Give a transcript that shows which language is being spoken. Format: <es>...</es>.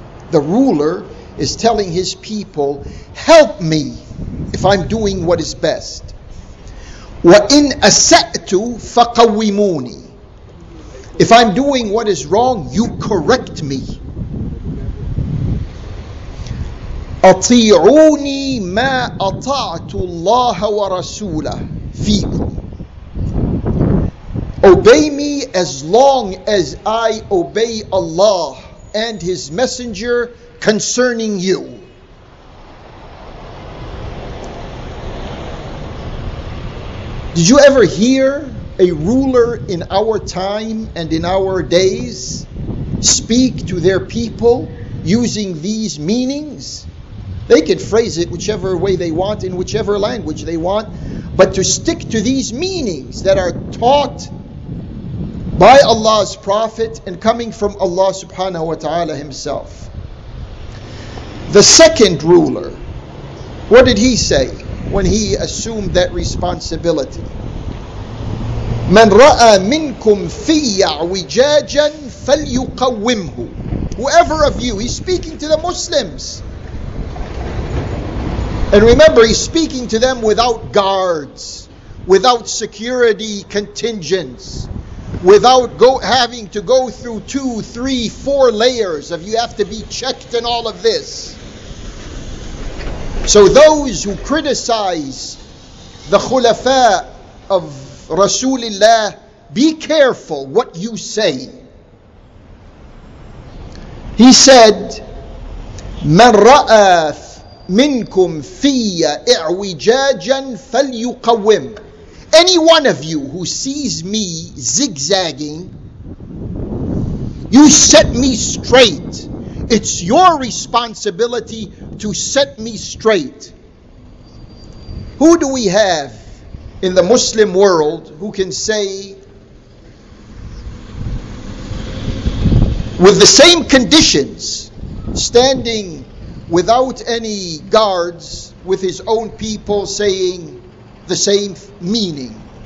<en>The ruler is telling his people, help me if I'm doing what is best.</en> <ar>وَإِنْ أَسَأْتُ فَقَوِّمُونِي.</ar> <en>If I'm doing what is wrong, you correct me.</en> <ar>أَطِيعُونِي مَا أَطَعْتُ اللَّهَ وَرَسُولَهُ فِيكُمْ.</ar> <en>Obey me as long as I obey Allah and His Messenger concerning you. Did you ever hear a ruler in our time and in our days speak to their people using these meanings? They can phrase it whichever way they want, in whichever language they want, but to stick to these meanings that are taught by Allah's Prophet and coming from Allah subhanahu wa ta'ala himself. The second ruler, what did he say when he assumed that responsibility?</en> <ar>من رأى منكم في اعوجاجا فليقومه.</ar> <en>Whoever of you, he's speaking to the Muslims. And remember, he's speaking to them without guards, without security contingents, without having to go through 2, 3, 4 layers of you have to be checked and all of this. So those who criticize the Khulafa of Rasulullah, be careful what you say. He said,</en> <ar>من رأى منكم في إعوجاجا فليقوم.</ar> <en>Any one of you who sees me zigzagging, you set me straight. It's your responsibility to set me straight. Who do we have in the Muslim world who can say with the same conditions, standing without any guards with his own people saying the same meaning?</en>